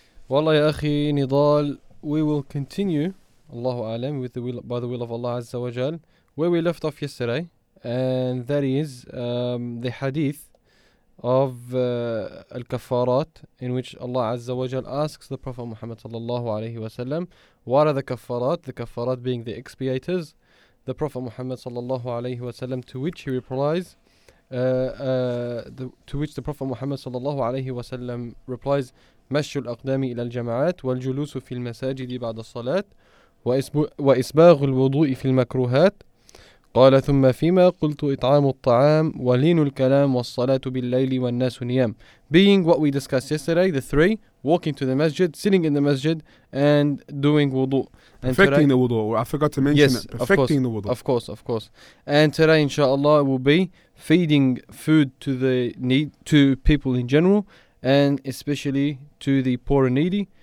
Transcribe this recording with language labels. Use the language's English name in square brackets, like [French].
[English] Wallahi akhi nidal, we will continue, Allahu alam, by the will of Allah Azza wa Jal, where we left off yesterday, and that is the hadith of al-kafarat, in which Allah Azza wa Jal asks the Prophet Muhammad sallallahu alayhi wa sallam, what are the kafarat? The kafarat being the expiators. The Prophet Muhammad sallallahu alayhi wa sallam, to which he replies, the Prophet Muhammad sallallahu alayhi wa sallam replies, [Arabic] مَشُّ الْأَقْدَامِ إِلَى الْجَمَعَاتِ وَالْجُلُوسُ فِي الْمَسَاجِدِ بَعْدَ الصَّلَاةِ وَإِسْبَاغُ الْوُضُوءِ فِي الْمَكْرُوهَاتِ قال ثم فيما قلت إطعام الطعام ولين الكلام والصلاة بالليل والناس نيام. [English] Being what we discussed yesterday, the three, walking to the masjid, sitting in the masjid, and doing wudu. Perfecting the wudu. I forgot to mention, yes, it. Perfecting the wudu. Of course, of course. And today, inshallah, will be feeding food to the need to people in general, and especially to the poor and needy.